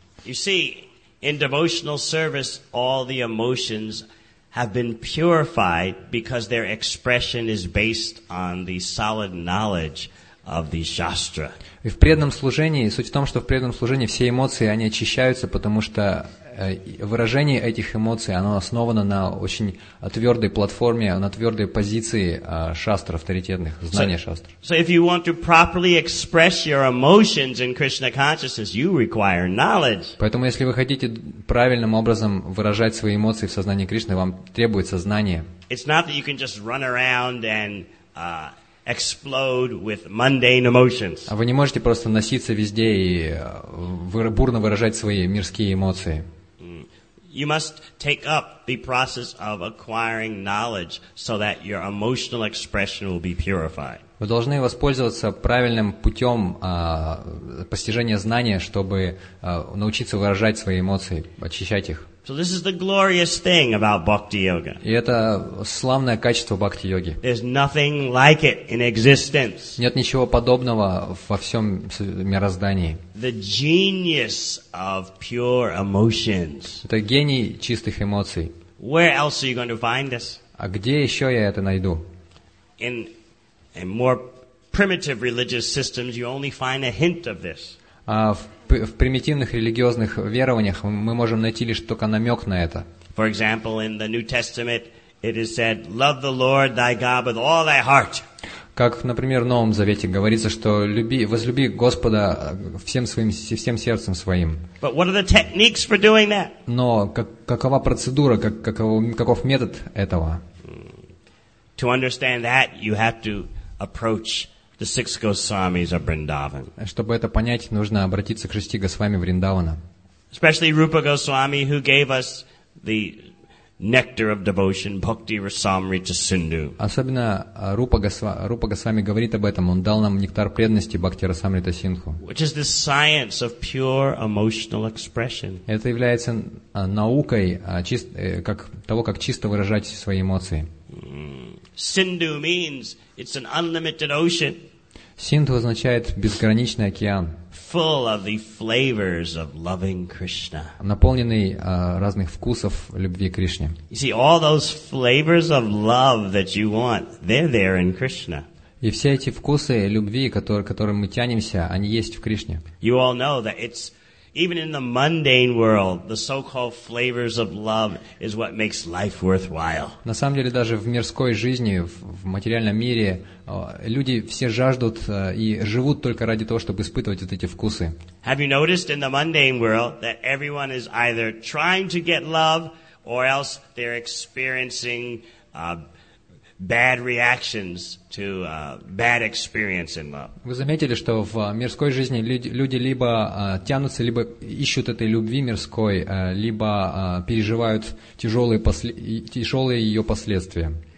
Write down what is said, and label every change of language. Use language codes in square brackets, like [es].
[en] You see, in devotional service, all the emotions have been purified because their expression is based on the solid knowledge of the shastra. [ru] И в преданном служении, суть в том, что в преданном служении все эмоции, они очищаются, потому что выражение этих эмоций, оно основано на очень твердой платформе, на твердой позиции шастр, авторитетных, знания шастр. [en] So if you want to properly express your emotions in Krishna consciousness, you require knowledge. [ru] Поэтому, если вы хотите правильным образом выражать свои эмоции в сознании Кришны, вам требуется знание. [en] It's not that you can just run around and explode with mundane emotions. [ru] А вы не можете просто носиться везде и бурно выражать свои мирские эмоции. [en] You must take up the process of acquiring knowledge so that your emotional expression will be purified. [ru] Вы должны воспользоваться правильным путем постижения знания, чтобы научиться выражать свои эмоции, очищать их. [en] So this is the glorious thing about bhakti yoga. [ru] И это славное качество бхакти йоги. [en] There's nothing like it in existence. [ru] Нет ничего подобного во всем мироздании. [en] The genius of pure emotions. [ru] Это гений чистых эмоций. [en] Where else are you going to find this? [ru] А где еще я это найду? [en] In more primitive religious systems, you only find a hint of this. [ru] В примитивных религиозных верованиях мы можем найти лишь только намек на это. [en] For example, in the New Testament, It is said, "Love the Lord thy God with all thy heart." [ru] Как, например, в Новом Завете говорится, что люби, возлюби Господа всем своим, всем сердцем своим. [en] But what are the techniques for doing that? [ru] Но какова процедура, каков метод этого? [en] To understand that, you have to approach the six Goswamis of Vrindavan. [ru] Чтобы это понять, нужно обратиться к шести Госвами Вриндавана. [en] Especially Rupa Goswami, who gave us the Nectar of devotion, Bhakti Rasamrita Sindhu. [ru] Особенно Рупа Госвами говорит об этом. Он дал нам нектар преданности Бхакти Расамрита Синдху. [en] Which is the science of pure emotional expression. [ru] Это является наукой как того, как чисто выражать свои эмоции. [en] Sindhu means it's an unlimited ocean. [ru] Синдху означает безграничный океан. [en] Full of the flavors of loving Krishna. [ru] Наполненный разных вкусов любви к Кришне. [en] You see, all those flavors of love that you want, they're there in Krishna. [ru] И все эти вкусы любви, которым мы тянемся, они есть в Кришне. [en] You all know that it's even in the mundane world, the so-called flavors of love is what makes life worthwhile. [ru] На самом деле, даже в мирской жизни, в материальном мире, люди все жаждут и живут только ради того, чтобы испытывать вот эти вкусы. [en] Have you noticed in the mundane world that everyone is either trying to get love or else they're experiencing bad reactions to bad experience in love. [ru] Вы заметили, что в мирской жизни люди либо тянутся, либо ищут этой любви мирской, либо переживают тяжелые ее последствия.